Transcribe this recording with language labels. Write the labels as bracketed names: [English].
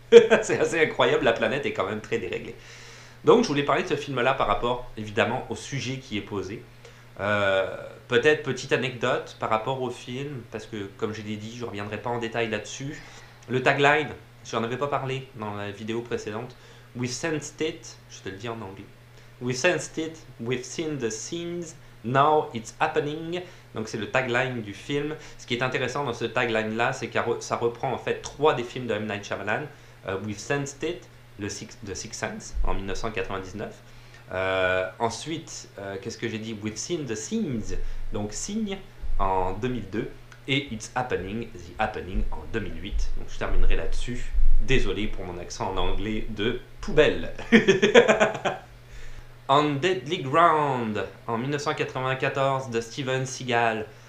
[French] C'est assez incroyable, la planète est quand même très déréglée. Donc, je voulais parler de ce film-là par rapport, évidemment, au sujet qui est posé. Peut-être petite anecdote par rapport au film, parce que, comme je l'ai dit, je ne reviendrai pas en détail là-dessus. Le tagline. Je n'en avais pas parlé dans la vidéo précédente. [English] We sensed it, [French] je te le dis en anglais. [English] We sensed it, we've seen the scenes, now it's happening. [French] Donc c'est le tagline du film. Ce qui est intéressant dans ce tagline-là, c'est que ça reprend en fait trois des films de M. Night Shyamalan. [English] We've sensed it, [French] The Sixth Sense, en 1999. Ensuite, qu'est-ce que j'ai dit? [English] We've seen the scenes, [French] donc signe, en 2002. Et It's Happening, The Happening en 2008. Donc je terminerai là-dessus. Désolé pour mon accent en anglais de poubelle. On Deadly Ground en 1994 de Steven Seagal.